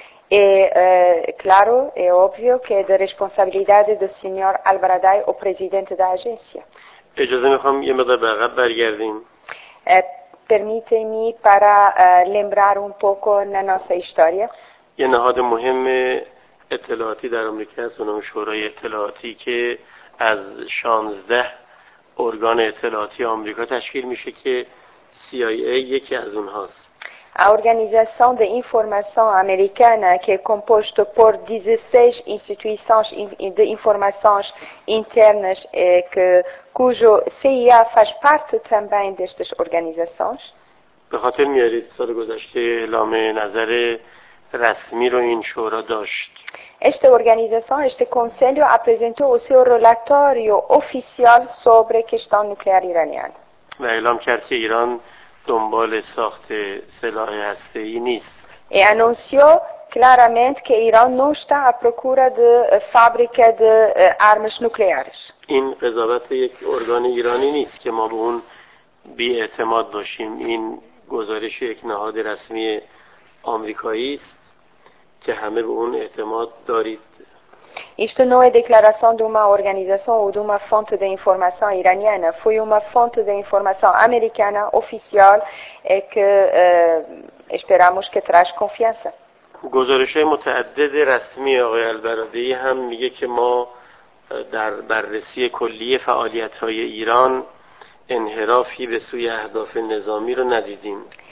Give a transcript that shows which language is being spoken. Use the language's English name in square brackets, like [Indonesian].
[Portuguese] E, claro, é óbvio que é da responsabilidade do Sr. Albaradei, o presidente da agência. Permitem-me para lembrar pouco na nossa história. [Persian] یه نهاد مهم اطلاعاتی در آمریکا هست به نام شورای اطلاعاتی که از 16 ارگان اطلاعاتی آمریکا تشکیل میشه که CIA یکی از اونهاست. [Portuguese] A organização de informação americana que é composto por 16 instituições de informações internas cujo CIA faz parte também destas organizações. [Persian] به خاطر میارید سال گذشته اعلام نظر رسمی رو این شورا داشت. [Portuguese] Esta organização, este conselho apresentou o seu relatório oficial sobre a questão nuclear iraniana. [Persian] E اعلام کرد که ایران دنبال ساخت سلاح هسته‌ای نیست. [Portuguese] E anunciou claramente que Irã não está à procura de fábrica de armas nucleares. [Persian] این قضاوت یک ارگان ایرانی نیست که ما به اون بی‌اعتماد باشیم. این گزارش یک نهاد رسمی آمریکایی است که همه به اون اعتماد دارید. [Portuguese] Isto não é declaração de uma organização ou de uma fonte de informação iraniana, foi uma fonte de informação americana oficial que esperamos que traz confiança. [Persian] گزارش متعدد رسمی آقای البرادعی هم میگه که ما در بررسی کلی فعالیت‌های ایران انحرافی به سوی اهداف نظامی رو ندیدیم.